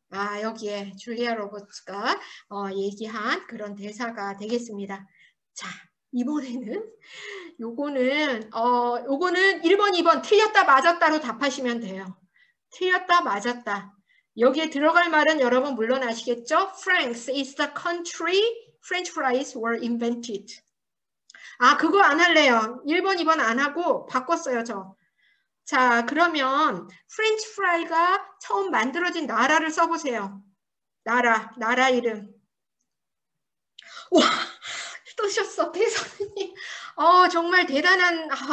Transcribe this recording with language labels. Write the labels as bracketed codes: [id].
[ko] 아, 여기에 줄리아 로버츠가, 얘기한 그런 대사가 되겠습니다. 자. 이번에는 요거는 1번, 2번 틀렸다 맞았다로 답하시면 돼요. 틀렸다 맞았다. 여기에 들어갈 말은 여러분 물론 아시겠죠? [en] France is the country French fries were invented. [ko] 아, 그거 안 할래요. 1번, 2번 안 하고 바꿨어요, 저. 자, 그러면 프렌치 프라이가 처음 만들어진 나라를 써보세요. 나라 이름. 와. 쓰셨어, 대선님. 정말 대단한.